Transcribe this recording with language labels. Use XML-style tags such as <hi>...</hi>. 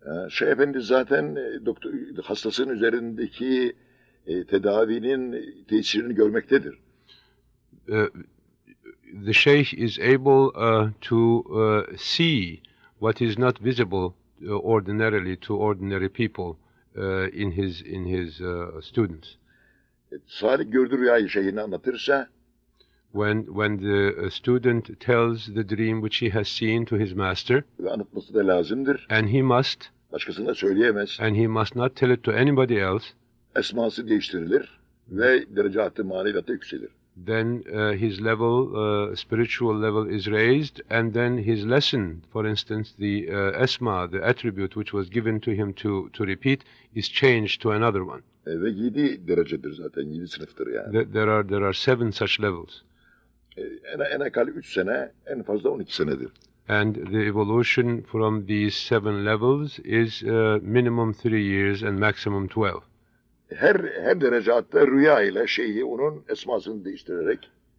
<tr>Şeyh Efendi zaten doktor, hastasının üzerindeki tedavinin tesirini görmektedir.</tr> <en>The Shaykh is able see what is not visible ordinarily to ordinary people in his students.</en> <tr>Salih gördü rüyayı şeyhine anlatırsa,</tr> <en>when the student tells the dream which he has seen to his master,</en> <tr>ve anlatması da lazımdır,</tr> <en>and he must,</en> <tr>başkasına söyleyemez,</tr> <en>and he must not tell it to anybody else,</en> <tr>esması değiştirilir ve derecatı maneviyatı yükselir.</tr> <en>Then his level, spiritual level, is raised, and then his lesson, for instance, the esma, the attribute which was given to him to repeat, is changed to another one.</en> <tr>Ve 7 derecedir zaten, 7 sınıftır yani.</tr> <en>There are 7 such levels.</en> <tr>En akali 3 sene, en fazla 12 senedir.</tr> <en>And the evolution from these 7 levels is minimum 3 years and maximum 12.</en> <tr>her derecatta rüya ile şeyhi onun esmasını değiştirerek.</tr>